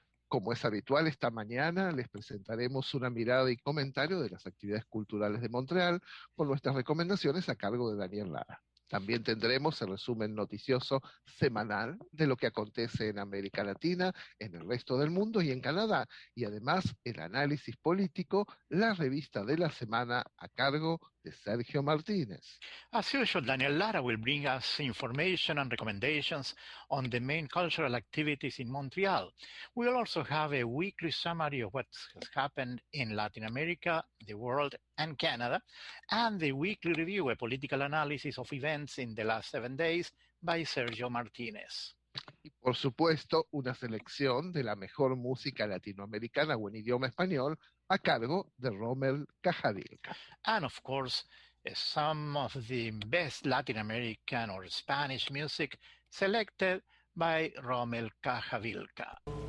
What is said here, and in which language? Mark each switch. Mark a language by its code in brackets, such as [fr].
[es] Como es habitual, esta mañana les presentaremos una mirada y comentario de las actividades culturales de Montreal con nuestras recomendaciones a cargo de Daniel Lara. También tendremos el resumen noticioso semanal de lo que acontece en América Latina, en el resto del mundo y en Canadá. Y además, el análisis político, la revista de la semana a cargo de Sergio Martínez. [en] As usual, Daniel Lara will bring us information and recommendations on the main cultural activities in Montreal. We will also have a weekly summary of what has happened in Latin America, the world, and Canada, and the weekly review, a political analysis of events in the last 7 days, by Sergio Martínez. [es] Y por supuesto, una selección de la mejor música latinoamericana o en idioma español a cargo de Rommel Cajadilca. [en] And of course, some of the best Latin American or Spanish music selected by Rommel Cajadilca.